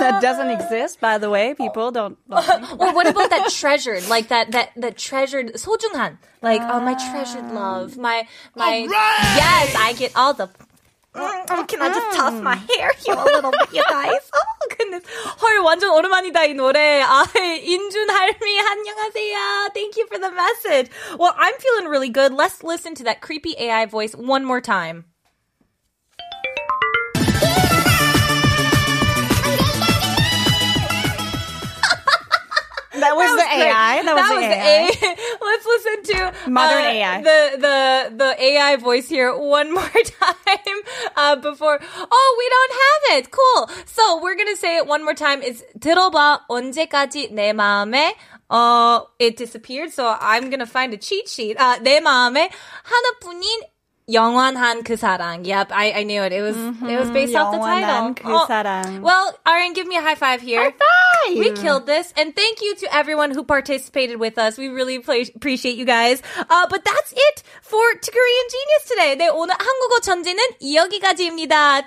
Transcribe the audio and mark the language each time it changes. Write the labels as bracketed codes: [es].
[en] That doesn't exist, by the way. People don't love me. Well, what about that treasured? Like that treasured [ko] 소중한. [en] Like, oh, my treasured love. My yes, I get all the... Can I just toss my hair here a little bit, you guys? Oh, goodness. [ko] 헐 완전 오랜만이다 이 노래. 아, 인준할미 안녕하세요. [en] Thank you for the message. Well, I'm feeling really good. Let's listen to that creepy AI voice one more time. That was the AI. That was the AI. Let's listen to modern AI. The AI voice here one more time before. Oh, we don't have it. Cool. So we're gonna say it one more time. It's [ko] 들어봐 언제까지 내 마음에. [en] It disappeared. So I'm gonna find a cheat sheet. [ko] 내 마음에 하나뿐인 영원한 그 사랑. [en] Yep, I knew it. It was based off the title. [ko] 영원한 그 사랑. [en] Well, Aryan, give me a high five here. High five! We killed this. And thank you to everyone who participated with us. We really appreciate you guys. But that's it for Korean Genius today. [ko] 네, 오늘 한국어 전지는 여기까지입니다.